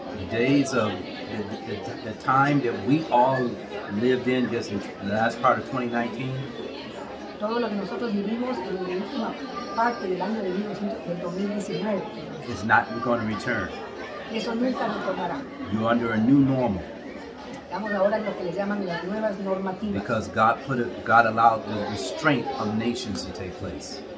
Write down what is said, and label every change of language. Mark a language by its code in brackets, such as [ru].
[en] The days of the time that we all lived in just in the last part of 2019. [es] Todo lo que nosotros vivimos en la última parte del año de 2019 [en] is not going to return. [es] Eso nunca retornará. [en] You're under a new normal. [es] Estamos ahora en lo que les llaman las nuevas normativas. [en] Because God allowed the restraint of nations to take place.